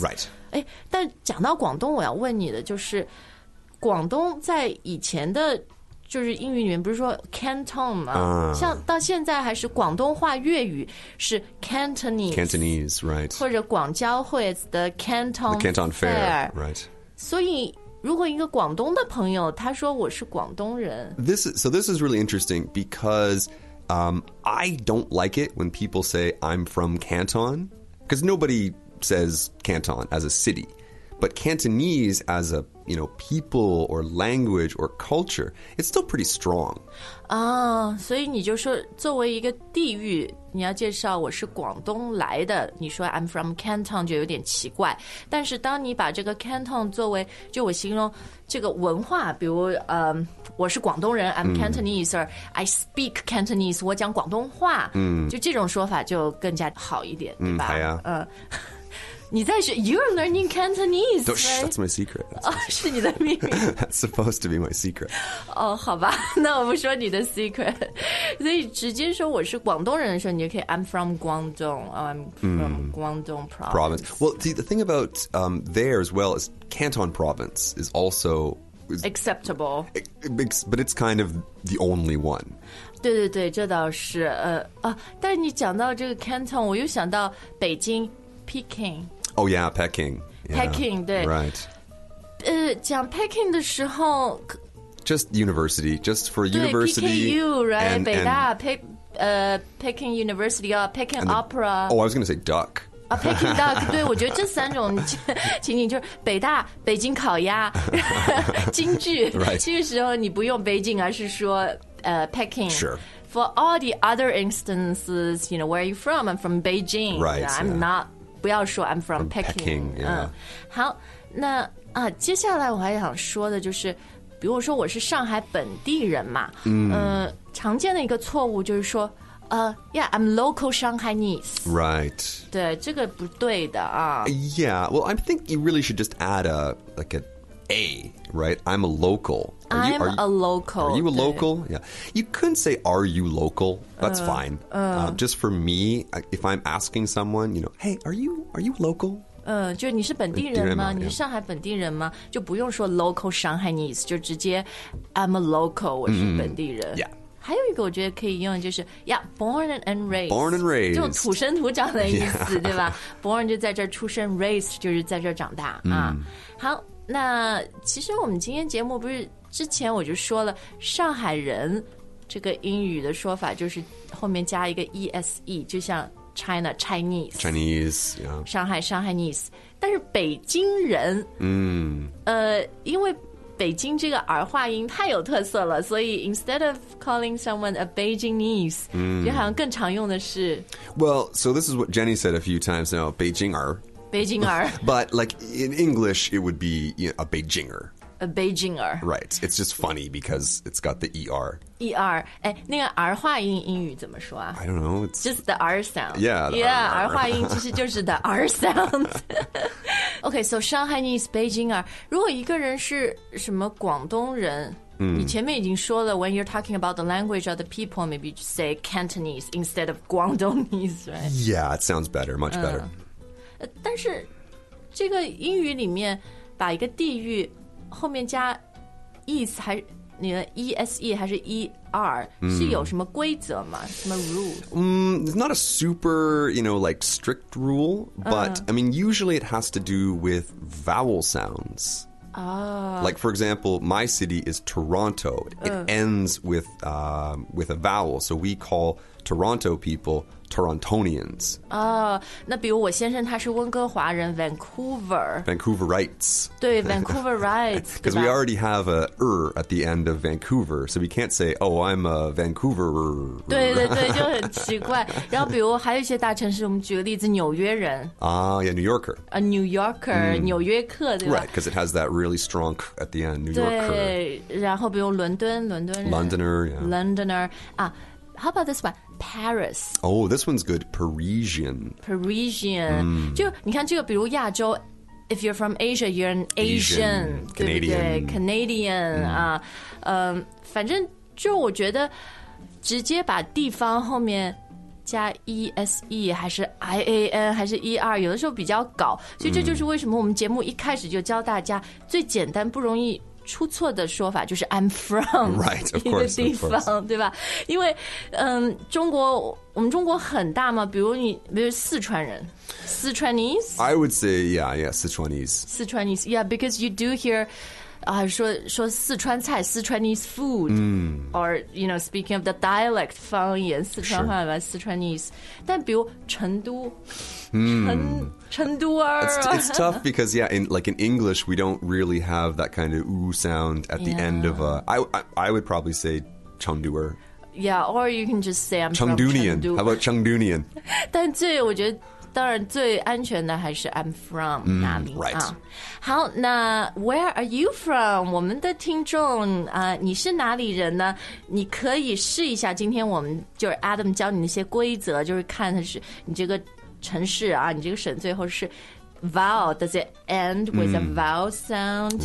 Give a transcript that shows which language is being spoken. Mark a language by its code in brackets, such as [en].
[en] Right. [zh] 但讲到广东，我要问你的就是广东在以前的就是英语里面不是说 Canton 吗、像到现在还是广东话粤语是 Cantonese, [en] right. [zh] 或者广交会 [en] the Canton Fair, right. [zh] 所以如果一个广东的朋友他说我是广东人 [en] This is really interesting because、I don't like it when people say I'm from Canton because nobody says Canton as a city. But Cantonese as a, you know, people or language or culture, it's still pretty strong. [zh] Oh, so you just say, 作为一个地域，你要介绍我是广东来的，你说 [en] I'm from Canton [zh] 就有点奇怪。但是当你把这个 Canton 作为，就我形容这个文化，比如我是广东人 ， [en] I'm Cantonese, or I speak Cantonese, [zh] 我讲广东话，就这种说法就更加好一点，对吧？哎呀，你在学 [en] You're learning Cantonese right? That's my secret [zh] That's 是你的秘密 [en] That's supposed to be my secret [zh] 好吧那我不说你的 secret 所以直接说我是广东人的时候你就可以 [en] I'm from Guangdong I'm from Guangdong province Well, see, the thing about there as well is Canton province is also acceptable but it's kind of the only one [zh] 对对对这倒是但你讲到这个 Canton 我又想到北京Peking. [en] Oh yeah, Peking. Peking, [zh] 对 [en] Right. [zh] 讲 Peking 的时候 [en] Just university, just for university. PKU, right? And, 北大 Peking University, Peking and Opera. Oh, I was going to say duck. [zh] Peking duck, 对我觉得这三种情景就是北大、北京烤鸭、京剧。 [en] Right. [zh] 这个时候你不用北京而是说Peking. [en] Sure. f for all the other instances, you know, where are you from? I'm from Beijing. Right. Yeah, I'm not, [zh] 不要说 [en] I'm from Peking. Peking, yeah. [zh] 好，那啊，接下来我还想说的就是，比如说我是上海本地人嘛，嗯，常见的一个错误就是说， [en] yeah, I'm local Shanghainese. Right. [zh] 对，这个不对的啊。 [en] Yeah, well, I think you really should just add a, like an A, right? I'm a local. I'm a local. Are you a local? Yeah. You couldn't say, are you local? That's fine. Just for me, if I'm asking someone, you know, hey, are you local? [zh] 就是你是本地人吗？你是上海本地人吗？ [en] Yeah. [zh] 就不用说 local Shanghainese, 就直接 [en] I'm a local, [zh] 我是本地人。 [en] Mm-hmm. Yeah. [zh] 还有一个我觉得可以用就是 [en] Yeah, born and raised [zh] 这种土生土长的意思、 [en] yeah. [zh] 对吧 Born 就在这儿出生 Raised 就是在这儿长大、mm. 啊。好那其实我们今天节目不是之前我就说了上海人这个英语的说法就是后面加一个 ESE 就像 China, Chinese、 [en] yeah. [zh] 上海 Chinese 但是北京人、 mm. 因为北京这个儿化音太有特色了，所以 [en] instead of calling someone a Beijingese,、 mm. [zh] 就好像更常用的是。 [en] Well, so this is what Jenny said a few times now, Beijing-er. Beijing-er. But like in English, it would be you know, a Beijinger. A Beijinger. Right. It's just funny because it's got the E-R. E-R. [zh] 那个儿化音英语怎么说啊 [en] I don't know. It's just the R sound. Yeah, the R. [zh] Yeah, 儿化音其实就是 [en] the R sound. Okay, so Shanghainese, Beijinger. [zh] 如果一个人是什么广东人、 mm. 你前面已经说了 [en] when you're talking about the language or the people, maybe you say Cantonese instead of Guangdongese, right? Yeah, it sounds better, much better.、 [zh] 但是这个英语里面把一个地域后面加 ese 还你的 ese 还是 er、 mm. 是有什么规则吗？什么 rule？ [en] It's not a super you know like strict rule, but、I mean usually it has to do with vowel sounds. Like for example, my city is Toronto. It ends with a vowel, so we call Toronto people Torontonians. [zh] 啊、那比如我先生他是温哥华人 Vancouver. [en] Vancouverites. 对 Vancouverites. Because we already have a er at the end of Vancouver, so we can't say, oh, I'm a Vancouverer. [zh] 对对对，就很奇怪。然后比如还有一些大城市，我们举个例子，纽约人。 [en] Yeah, New Yorker. A New Yorker,、 [zh] mm. 纽约客，对吧 [en] ？Right, because it has that really strong k at the end, New Yorker. [zh] 对，然后比如伦敦人。 [en] Londoner, yeah. Londoner, 啊。How about this one? Paris. Oh, this one's good. Parisian.、 Mm. [zh] 就你看这个比如亚洲 [en] if you're from Asia, you're an Asian. Canadian. [zh] 对不对 Canadian.、Mm. 啊反正就我觉得直接把地方后面加 ese 还是 ian 还是 er 有的时候比较搞。所以这就是为什么我们节目一开始就教大家最简单不容易出错的说法就是 [en] I'm from right, of course, [zh] 一个地方 [en] of [zh] 对吧因为、中国我们中国很大嘛比如你比如四川人 Sichuanese [en] I would say yeah Sichuanese yeah because you do hear、 [zh] 说四川菜 [en] Sichuanese food、 mm. or you know speaking of the dialect [zh] 方言四川话吧 [en] Sichuanese [zh] 但比如成都、 mm. 成都儿 [en] it's tough because yeah in like in English we don't really have that kind of ooh sound at the、 yeah. end of a I would probably say Chengduer yeah or you can just say I'm Chengdunian Chengdu. How about Chengdunian [zh] 但最我觉得当然最安全的还是 [en] I'm from [zh] 哪里、 [en] right. [zh] 啊、好那 where are you from 我们的听众、你是哪里人呢你可以试一下今天我们就是 Adam 教你那些规则就是看的是你这个城市啊，你这个省最后是 vowel [en] does it end with a vowel sound、